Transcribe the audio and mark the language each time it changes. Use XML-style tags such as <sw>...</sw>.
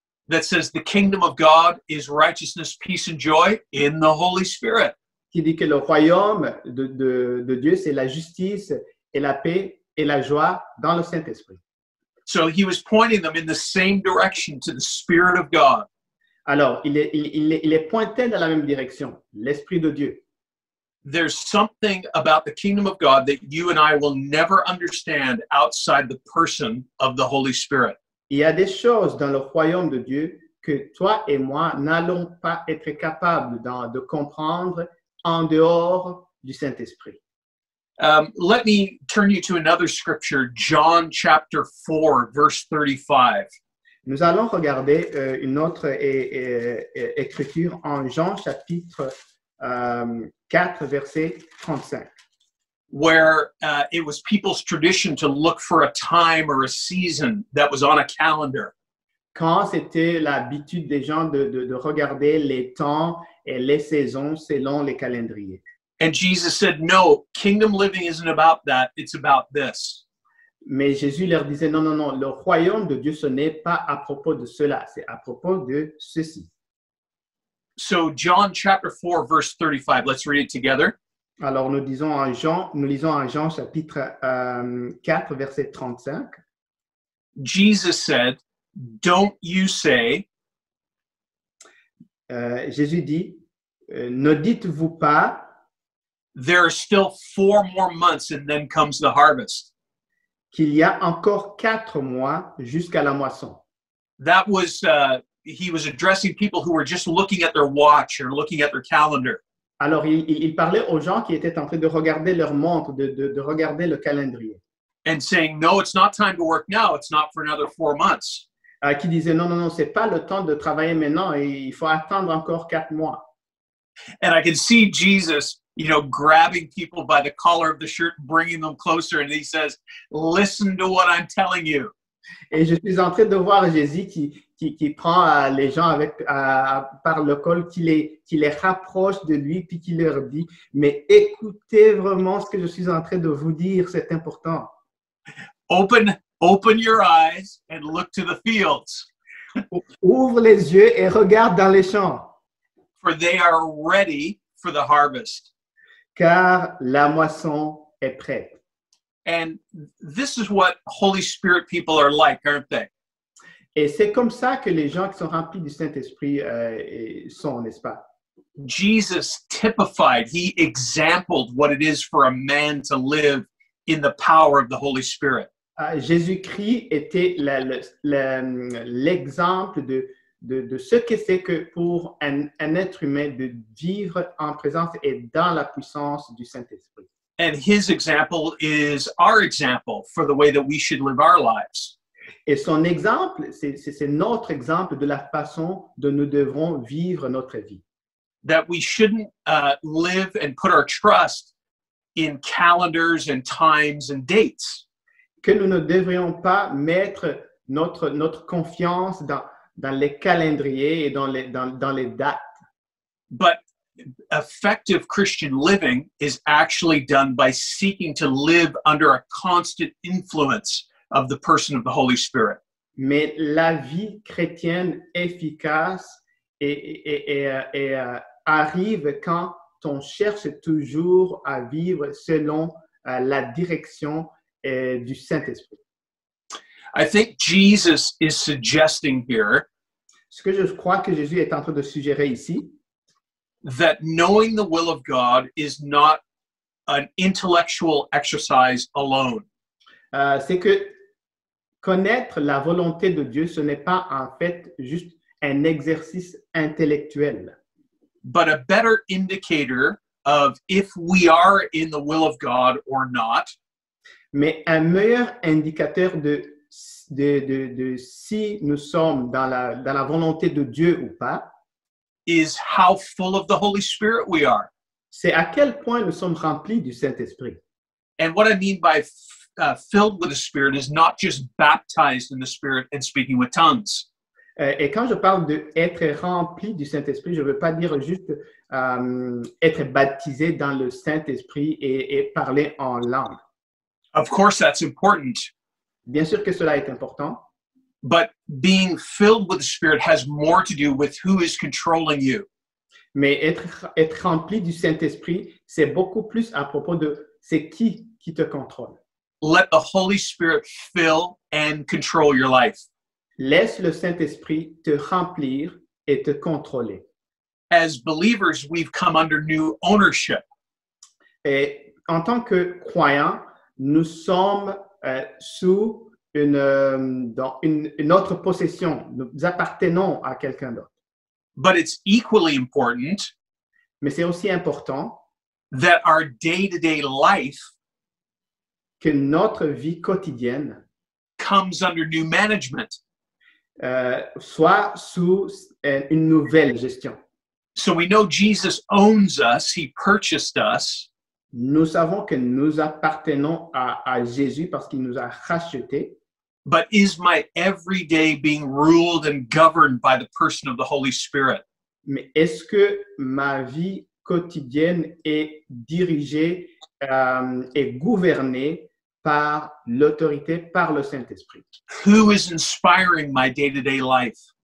<en>That says the kingdom of God is righteousness, peace and joy in the Holy Spirit.</en> <fr>Qui dit que le royaume de Dieu, c'est la justice et la paix et la joie dans le Saint-Esprit.</fr> <en>So he was pointing them in the same direction to the Spirit of God.</en> <fr>Alors, il est pointé dans la même direction, l'Esprit de Dieu.</fr> <en>There's something about the kingdom of God that you and I will never understand outside the person of the Holy Spirit.</en> <fr>Il y a des choses dans le royaume de Dieu que toi et moi n'allons pas être capables de comprendre en dehors du Saint-Esprit.</fr> <en>Let me turn you to another scripture, John chapter 4, verse 35.</en> <fr>Nous allons regarder une autre écriture en Jean chapitre 4, verset 35.</fr> <en>Where it was people's tradition to look for a time or a season that was on a calendar.</en> <fr>Quand c'était l'habitude des gens de regarder les temps et les saisons selon les calendriers.</fr> <en>And Jesus said, no, kingdom living isn't about that, it's about this.</en> <fr>Mais Jésus leur disait, non, non, non, le royaume de Dieu, ce n'est pas à propos de cela, c'est à propos de ceci.</fr> <en>So John chapter 4, verse 35, let's read it together.</en> <fr>Alors nous lisons en Jean chapitre 4, verset 35.</fr> <en>Jesus said, don't you say,</en> <fr>Jésus dit, ne dites-vous pas,</fr> <en>there are still 4 more months and then comes the harvest.</en> <fr>Qu'il y a encore 4 mois jusqu'à la moisson.</fr> <en>That was, he was addressing people who were just looking at their watch or looking at their calendar.</en> <fr>Alors il parlait aux gens qui étaient en train de regarder leur montre, de regarder le calendrier.</fr> <en>And saying, no, it's not time to work now, it's not for another 4 months.</en> <fr>Qui disait non, non, non, c'est pas le temps de travailler maintenant, et il faut attendre encore 4 mois.</fr> <en>And I can see Jesus, you know, grabbing people by the collar of the shirt, bringing them closer, and he says, listen to what I'm telling you.</en> <fr>Et je suis en train de voir Jésus qui prend les gens avec par le col, qui les rapproche de lui, puis qui leur dit, mais écoutez vraiment ce que je suis en train de vous dire, c'est important.</fr> <en>Open your eyes and look to the fields.</en> <fr>Ouvre les yeux et regarde dans les champs.</fr> <en>For they are ready for the harvest.</en> <fr>Car la moisson est prête.</fr> <en>And this is what Holy Spirit people are like, aren't they?</en> <fr>Et c'est comme ça que les gens qui sont remplis du Saint-Esprit sont, n'est-ce pas?</fr> <en>Jesus typified, he exampled what it is for a man to live in the power of the Holy Spirit.</en> <fr>Jésus-Christ était l'exemple de ce que c'est que pour un être humain de vivre en présence et dans la puissance du Saint-Esprit.</fr> <en>And his example is our example for the way that we should live our lives.</en> <fr>Et son exemple, c'est notre exemple de la façon dont nous devrons vivre notre vie.</fr> <en>That we shouldn't live and put our trust in calendars and times and dates.</en> <fr>Que nous ne devrions pas mettre notre confiance dans les calendriers et dans les dates.</fr> <en>But effective Christian living is actually done by seeking to live under a constant influence of the person of the Holy Spirit.</en> <fr>Mais la vie chrétienne efficace est arrive quand on cherche toujours à vivre selon la direction du Saint-Esprit.</fr> <en>I think Jesus is suggesting here.</en> <fr>Ce que je crois que Jésus est en train de suggérer ici.</fr> <en>That knowing the will of God is not an intellectual exercise alone.</en> <fr>C'est que connaître la volonté de Dieu, ce n'est pas en fait juste un exercice intellectuel.</fr> <en>But a better indicator of if we are in the will of God or not.</en> <fr>Mais un meilleur indicateur de si nous sommes dans la volonté de Dieu ou pas.</fr> <en>Is how full of the Holy Spirit we are.</en> <fr>C'est à quel point nous sommes remplis du Saint-Esprit.</fr> <en>And what I mean by filled with the Spirit is not just baptized in the Spirit and speaking with tongues.</en> <fr>Et quand je parle d'être rempli du Saint-Esprit, je ne veux pas dire juste être baptisé dans le Saint-Esprit et parler en langue.</fr> <en>Of course, that's important.</en> <fr>Bien sûr que cela est important.</fr> <en>But being filled with the Spirit has more to do with who is controlling you.</en> <fr>Mais être rempli du Saint-Esprit, c'est beaucoup plus à propos de c'est qui te contrôle.</fr> <en>Let the Holy Spirit fill and control your life.</en> <fr>Laisse le Saint-Esprit te remplir et te contrôler.</fr> <en>As believers, we've come under new ownership.</en> <fr>Et en tant que croyants, nous sommes sous une autre possession. Nous appartenons à quelqu'un d'autre.</fr> <en>But it's equally important.</en> <fr>Mais c'est aussi important</fr> <en>that our day-to-day life</en> <fr>que notre vie quotidienne</fr> <en>comes under new management.</en> <fr>Soit sous une nouvelle gestion.</fr> <en>So we know Jesus owns us, he purchased us.</en> <fr>Nous savons que nous appartenons à Jésus parce qu'il nous a rachetés.</fr> <en>But is my everyday being ruled and governed by the person of the Holy Spirit?</en> <fr>Mais est-ce que ma vie quotidienne est dirigée et gouvernée par l'autorité, par le Saint-Esprit?</fr> <en>Who is inspiring my day-to-day life?</en>